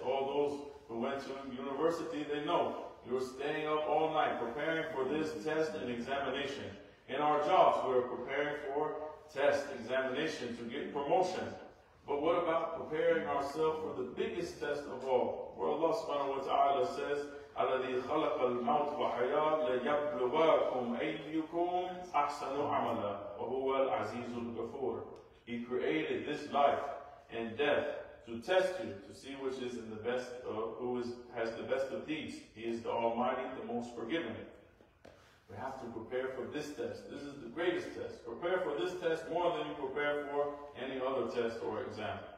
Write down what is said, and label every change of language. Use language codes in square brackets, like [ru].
[en] All those who went to university, they know. You're staying up all night, preparing for this test and examination. In our jobs, we are preparing for test, examination, to get promotion. But what about preparing ourselves for the biggest test of all? Where Allah subhanahu wa ta'ala says, [ar] الَّذِي خَلَقَ الْمَوْتِ وَحَيَاتِ لَيَبْلُوَاكُمْ أَيُّكُمْ أَحْسَنُ عَمَلًا وَهُوَ الْعَزِيزُ الْغَفُورِ. [en] He created this life and death to test you, to see which is in the best, has the best of deeds. He is the Almighty, the Most Forgiving. We have to prepare for this test. This is the greatest test. Prepare for this test more than you prepare for any other test or exam.